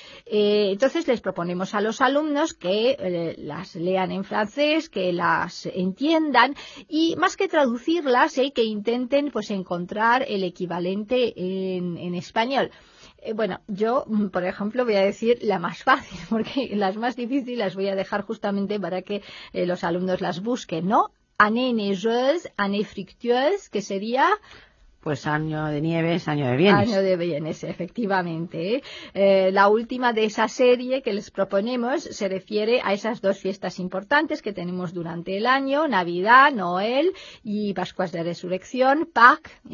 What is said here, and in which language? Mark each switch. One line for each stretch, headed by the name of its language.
Spanish: Entonces les proponemos a los alumnos que las lean en francés, que las entiendan y más que traducirlas, que intenten pues encontrar el equivalente en español. Bueno, yo, por ejemplo, voy a decir la más fácil, porque las más difíciles las voy a dejar justamente para que los alumnos las busquen, ¿no?
French: Année neigeuse, année fructueuse,
Spanish: que sería... Pues año de nieves, año de bienes. Año de bienes, efectivamente. La última de esa serie que les proponemos se refiere a esas dos fiestas importantes que tenemos durante el año, Navidad, Noel y Pascuas de Resurrección, Pâques.